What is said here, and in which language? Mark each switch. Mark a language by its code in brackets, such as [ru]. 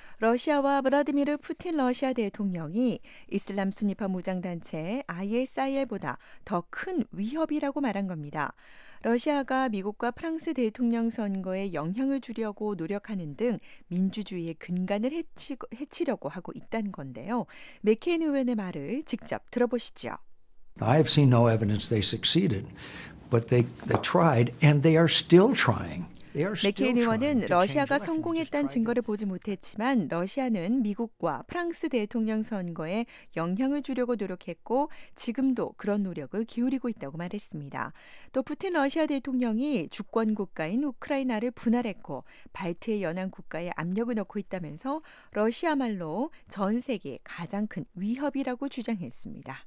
[ko] 러시아와 브라디미르 푸틴 러시아 대통령이 이슬람 순위파 무장단체 ISIL보다 더 큰 위협이라고 말한 겁니다. 러시아가 미국과 프랑스 대통령 선거에 영향을 주려고 노력하는 등 민주주의의 근간을 해치려고 하고 있다는 건데요. 맥케인 의원의 말을 직접 들어보시죠. [en] I have seen no evidence they succeeded. But they tried and they are still trying. [ko] 맥케인 의원은 러시아가 성공했다는 증거를 보지 못했지만 러시아는 미국과 프랑스 대통령 선거에 영향을 주려고 노력했고 지금도 그런 노력을 기울이고 있다고 말했습니다. 또 푸틴 러시아 대통령이 주권 국가인 우크라이나를 분할했고 발트의 연안 국가에 압력을 넣고 있다면서 러시아말로 전 세계에 가장 큰 위협이라고 주장했습니다.